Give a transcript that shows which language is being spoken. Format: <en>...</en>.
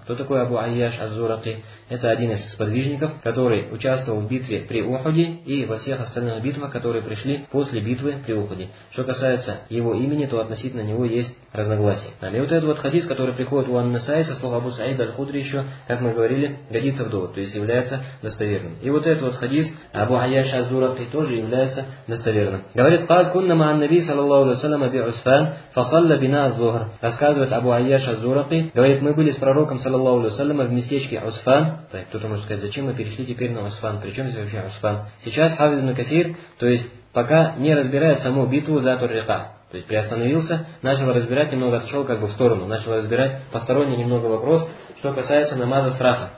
<ru>Кто такой Абу Айяш Аз-Зураки? Это один из сподвижников, который участвовал в битве при Ухуде и во всех остальных битвах, которые пришли после битвы при Ухуде. Что касается его имени, то относительно него есть разногласия. И вот этот вот хадис, который приходит у Ан-Насаи со слов Абу Саид Аль-Худри еще, как мы говорили, годится в довод, то есть является достоверным. И вот этот вот хадис Абу Айяш Аз-Зураки тоже является достоверным. Говорит,</ru> <ar>قال كنا مع النبي صلى الله عليه وسلم بعسفان فصلى بنا الظهر.</ar> <ru>Рассказывает Абу Айяш Аз-Зураки, говорит, мы были с пророком صلى الله عليه وسلم в местечке Усфан. Так, кто-то может сказать, зачем мы перешли теперь на Усфан? Причем здесь вообще Усфан? Сейчас Хафиз ибн Касир, то есть пока не разбирает саму битву за Тур-Риқа. То есть приостановился, начал разбирать, немного отошел как бы в сторону, начал разбирать посторонний немного вопрос, что касается намаза страха.</ru>